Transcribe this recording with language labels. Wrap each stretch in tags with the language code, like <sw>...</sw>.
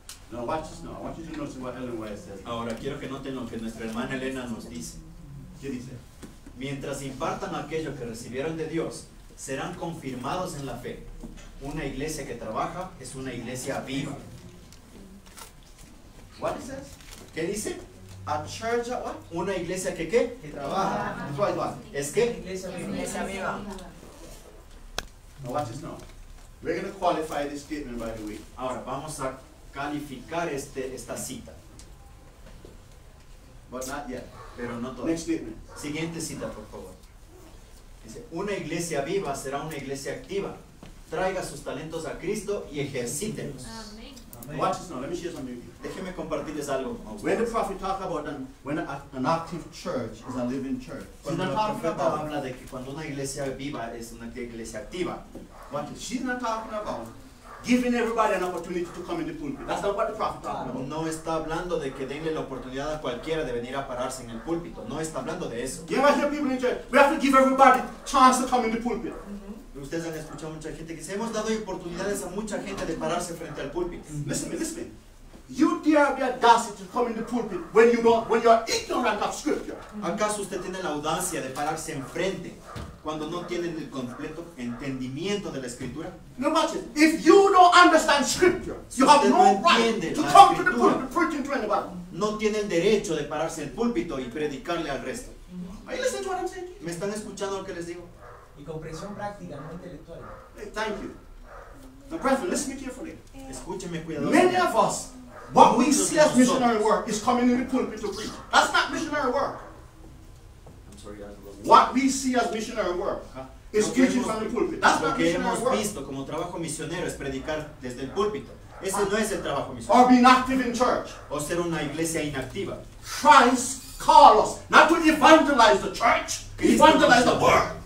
<en>Now watch this now. I want you to notice what Ellen White says.</en> <es>Ahora quiero que noten lo que nuestra hermana Elena nos dice. ¿Qué dice? Mientras impartan aquello que recibieron de Dios, serán confirmados en la fe. Una iglesia que trabaja es una iglesia viva.</es> <en>What is this?</en> <es>¿Qué dice?</es> <en>A church, what?</en> <es>Una iglesia que qué? Que trabaja.</es> <en>Twice what?</en> <es>¿Es qué? Iglesia viva. Iglesia viva.</es> <en>Now watch this now. We're going to qualify this statement by the way.</en> <es>Ahora vamos a calificar esta cita.</es> <en>But not yet.</en> <es>Pero no todavía.</es> <en>Next statement.</en> <es>Siguiente cita, por favor. Dice, una iglesia viva será una iglesia activa. Traiga sus talentos a Cristo y ejercítelos.</es> <en>Amén. Watch this now. Let me share something with you.</en> <es>Déjeme compartirles algo.</es> <en>When the prophet talk about when an active church is a living church.</en> <es>Cuando el profeta habla de que cuando una iglesia viva es una iglesia activa.</es> <en>What is she not talking about? Giving everybody an opportunity to come in the pulpit. That's not what the prophet talked about.</en> <es>No está hablando de que denle la oportunidad a cualquiera de venir a pararse en el púlpito. No está hablando de eso.</es> <en>You ever hear people in church? We have to give everybody chance to come in the pulpit. Mm-hmm.</en> <es>Ustedes han escuchado mucha gente que se hemos dado oportunidades a mucha gente de pararse frente al púlpito.</es> <en>Mm-hmm. Listen. You dare the audacity to come in the pulpit when you are ignorant of scripture. Mm-hmm.</en> <es>¿Acaso usted tiene la audacia de pararse enfrente cuando no tienen el completo entendimiento de la escritura?</es> <en>No matches. If you don't understand scripture,</en> <es>si</es> <en>you have no right to come to the pulpit preaching to anybody.</en> <es>No tienen derecho de pararse en el púlpito y predicarle al resto.</es> <en>Are you listening to what I'm saying?</en> <es>¿Me están escuchando lo que les digo? Y comprensión práctica, no intelectual.</es> <en>Hey, thank you. Now, brethren, listen to me carefully.</en> <es>Escúcheme cuidadosamente.</es> <en>Many of us, what we see as missionary work is coming in the pulpit to preach. That's not missionary work. I'm sorry, guys. What we see as missionary work is teaching from the pulpit. That's not missionary work.</en> <es>Lo que hemos visto como trabajo misionero es predicar desde el púlpito. Ese no es el trabajo misionero.</es> <en>Or being active in church.</en> <es>O ser una iglesia inactiva.</es> <en>Christ called us not to evangelize the church, Cristo evangelize the world.</en>